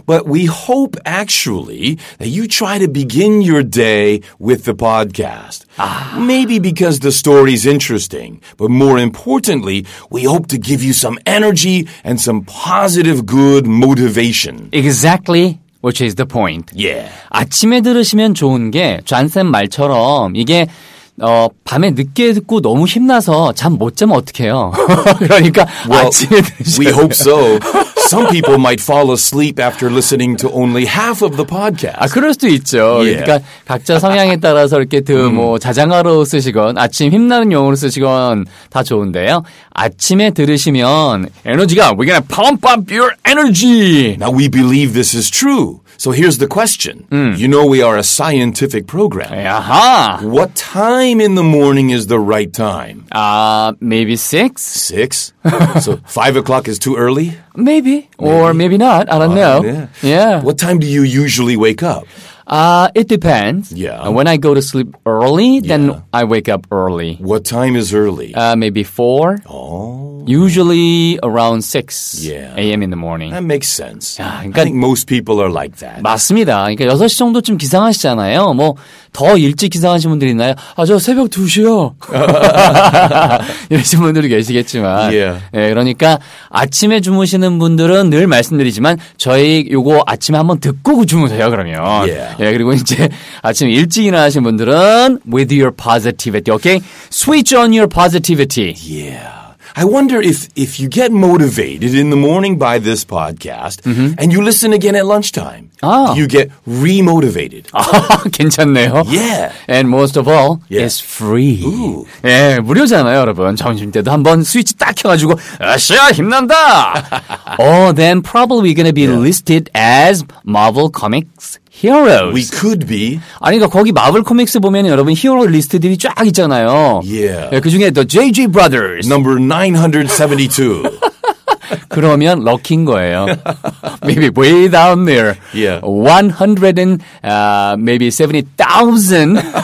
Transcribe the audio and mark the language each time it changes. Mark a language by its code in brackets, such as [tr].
[en] But we hope actually that you try to begin your day with the podcast. Maybe because the story's interesting, but more importantly, we hope to give you some energy and some positive good motivation. Exactly. Which is the point. Yeah. [ko] 아침에 들으시면 좋은 게 존쌤 말처럼 이게 밤에 늦게 듣고 너무 힘나서 잠 못 자면 어떡해요. 그러니까 [en] well, [ko] 아침에 들으시면 [en] We hope so. Some people might fall asleep after listening to only half of the podcast. [ko] 아, 그럴 수도 있죠. [en] Yeah. [ko] 그러니까 각자 성향에 따라서 이렇게 뭐 자장가로 쓰시건 아침 힘나는 용어로 쓰시건 다 좋은데요. 아침에 들으시면 에너지가 [en] We're gonna pump up your energy. Now we believe this is true. So here's the question. You know we are a scientific program. Aha. What time in the morning is the right time? Maybe six. Six? So 5 o'clock is too early? Maybe. Or maybe not. I don't know. Yeah. What time do you usually wake up? It depends. Yeah. When I go to sleep early, then I wake up early. What time is early? Maybe 4. Oh. Usually around 6 a.m. in the morning. That makes sense. [ko] 야, 그러니까 [en] I think most people are like that. [ko] 맞습니다. 그러니까 6시 정도쯤 기상하시잖아요. 뭐 더 일찍 기상하신 분들이 있나요? 아, 저 새벽 2시요. 이러신 분들도 계시겠지만. [en] Yeah. [ko] 예, 그러니까 아침에 주무시는 분들은 늘 말씀드리지만 저희 요거 아침에 한번 듣고 주무세요, 그러면. [en] Yeah. [ko] 예, 그리고 이제 아침에 일찍 일어나신 분들은 [en] with your positivity, okay? Switch on your positivity. Yeah. I wonder if you get motivated in the morning by this podcast and you listen again at lunchtime. Ah. You get re-motivated. [ko] 괜찮네요. [en] Yeah. And most of all, it's free. Ooh. [ko] 예, 무료잖아요, 여러분. 점심 때도 한번 스위치 딱 켜가지고, 아시아, 힘난다! [en] Oh, then probably we're going to be listed as Marvel Comics Heroes. We could be. [ko] 아니, 그러니까 거기 마블 코믹스 보면 여러분 히어로 리스트들이 쫙 있잖아요. [en] Yeah. [ko] 예, 그 중에 The JJ Brothers. [en] Number 972. [ko] 그러면 럭키인 거예요. [en] Maybe way down there. Yeah. 100 and maybe 70,000.